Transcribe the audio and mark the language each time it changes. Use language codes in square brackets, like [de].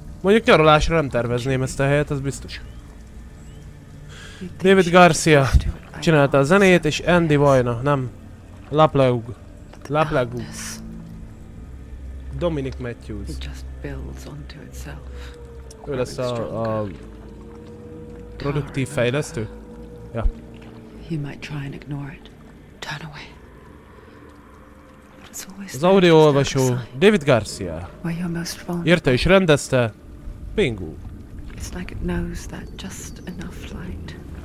[hu] Mondjuk nyaralásra nem tervezném ezt a helyet, az biztos. David Garcia csinálta a zenét, és Andy Vajna, nem. Laplaug. Laplaug. Dominic Matthews. [en] It just builds onto itself. [hu] Ő lesz a produktív fejlesztő? Ja. [en] You might try and ignore it. Turn away. [hu] Az audioolvasó David Garcia. Írta és rendezte. Bingo. [en] It's like it knows that just enough light.